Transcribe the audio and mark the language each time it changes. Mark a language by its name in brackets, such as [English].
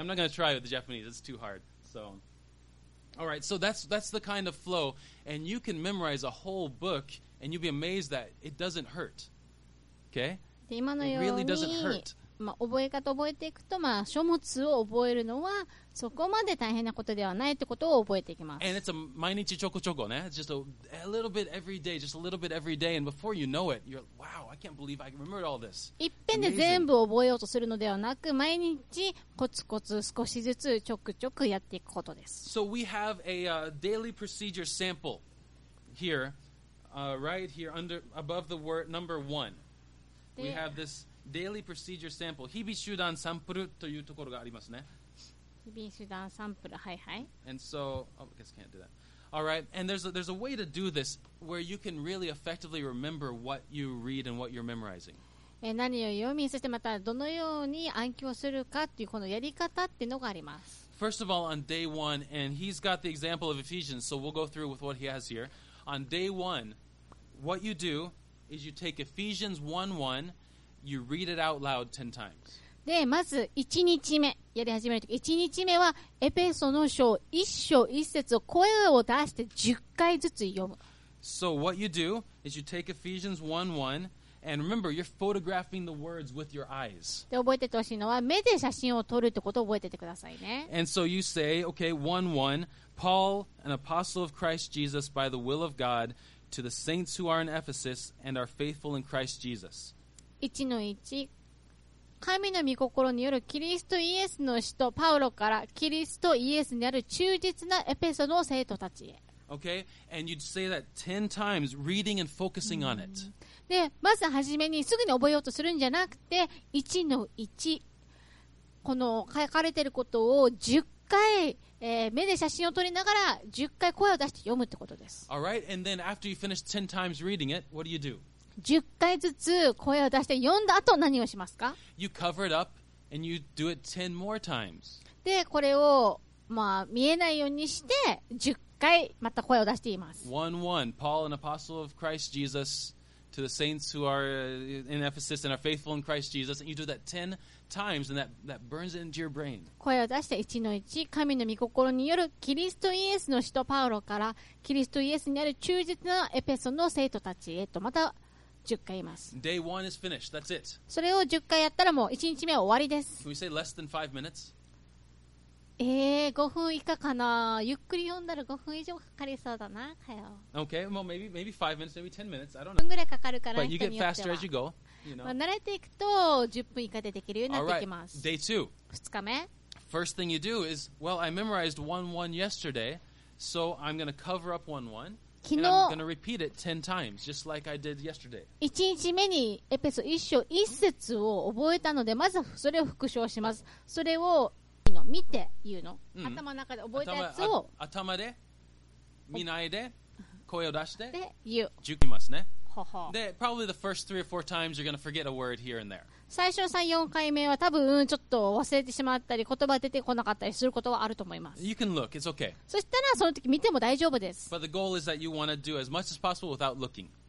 [English] I'm not going to try with the Japanese, it's too hard. So, alright, so that's the kind of flow, and you can memorize a whole book and you'll be amazed that it doesn't hurt. Okay? [Japanese] 今のように、まあ、覚え方を覚えていくと、まあ、書物を覚えるのはそこまで大変なことではないということを覚えていきます。 [English] And it's a [Japanese] 毎日ちょこちょこね。 [English] Just a little bit every day, just a little bit every day. And before you know it, you're like, wow, I can't believe I remembered all this. [Japanese] 一遍で全部覚えようとするのではなく、毎日コツコツ少しずつちょくちょくやっていくことです。 [English] So we have a daily procedure sample here, right here under, above the word number one. We have this daily procedure sample. [Japanese] 日々手段サンプルというところがありますね。日々手段サンプル、はいはい。 [English] And so, oh, I guess I can't do that. All right, and there's a way to do this where you can really effectively remember what you read and what you're memorizing. [Japanese] 何を読み、そしてまたどのように暗記をするかっていうこのやり方っていうのがあります。 [English] First of all, on day one, and he's got the example of Ephesians, so we'll go through with what he has here. On day one, what you do... is you take Ephesians 1:1, you read it out loud 10 times. [Japanese] で、まず1日目、やり始めるとき、1日目はエペソの書1章1節を声を出して10回ずつ読む。 [English] So what you do is you take Ephesians 1:1, and remember, you're photographing the words with your eyes. [Japanese] で、覚えててほしいのは目で写真を撮るってことを覚えててくださいね。 [English] And so you say, okay, 1:1, Paul, an apostle of Christ Jesus by the will of God,to the saints who are in Ephesus and are faithful in Christ Jesus. 1:1. [Japanese] 神の御心によるキリストイエスの使徒パウロからキリストイエスにある忠実なエペソの生徒たちへ。 [English] Okay, and you'd say that 10 times, reading and focusing on it. [Japanese] で、まずはじめにすぐに覚えようとするんじゃなくて、 1:1. この書かれていることを10回目で写真を撮りながら10回声を出して読むってことです。 [English] All right, and then after you finish 10 times reading it, what do you do? [Japanese] 10回ずつ声を出して読んだ後何をしますか? [English] You cover it up And you do it 10 more times. [Japanese] で、これを、まあ、見えないようにして10回また声を出しています。 [English] 1-1, Paul, an apostle of Christ Jesus, to the saints who are in Ephesus and are faithful in Christ Jesus, and you do that 10 times, and that burns into your brain. [Japanese] 声を出して 1-1, 神の御心によるキリストイエスの使徒パウロから、キリストイエスにある忠実なエペソの生徒たちへと、また、10回言います。 [English] Day one is finished. That's it. [Japanese] それを10回やったらもう1日目は終わりです。 [English] Can we say less than 5 minutes? [Japanese] 5分以下かな。ゆっくり読んだら5分以上かかりそうだな。かよ。 [English] Okay, well maybe 5 minutes, maybe 10 minutes. I don't know. [Japanese] 分ぐらいかかるかな。 [English] But you get faster as you go. [Japanese] まあ、慣れていくと10分以下でできるようになってきます。 Day two. 2日目。 First thing you do is, well, I memorized 1-1 yesterday, so I'm going to cover up 1-1. 昨日、1日目にエペソ1章1節を覚えたので、まずそれを復唱します。それを見て言うの。頭の中で覚えたやつを。頭で見ないで声を出して言う。熟りますね。 [English] で、probably the first three or four times you're going to forget a word here and there. [Japanese] 最初の3、4回目は多分ちょっと忘れてしまったり言葉出てこなかったりすることはあると思います。 [English] You can look. It's okay. [Japanese] そしたらその時見ても大丈夫です。 [English] But the goal is that you want to do as much as possible without looking.